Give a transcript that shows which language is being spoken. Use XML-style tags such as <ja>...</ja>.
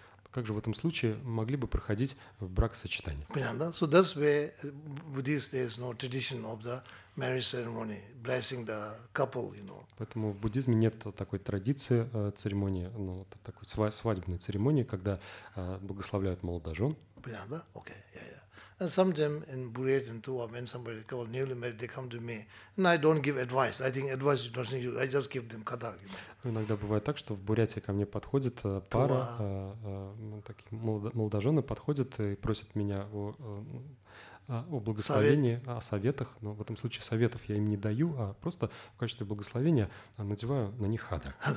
<ru>Как же в этом случае могли бы проходить в бракосочетание? Понятно?</ru> <en>So that's where Buddhist there's no tradition of the marriage ceremony, blessing the couple, you know.</en> <ru>Поэтому в буддизме нет такой традиции церемонии, ну, такой свадебной церемонии, когда благословляют молодожен.</ru> <en>Понятно? Okay, yeah, yeah. And sometimes in Buriet and Tuwa, when somebody called newly married, they come to me, and I don't give advice. I think advice you don't need. I just give them kadak.</en> <ru>Иногда бывает так, что в Бурятии ко мне подходит пара, такие молодожены подходят и просят меня о благословении, о советах. Но в этом случае советов я им не даю, а просто в качестве благословения надеваю на них хадак.</ru>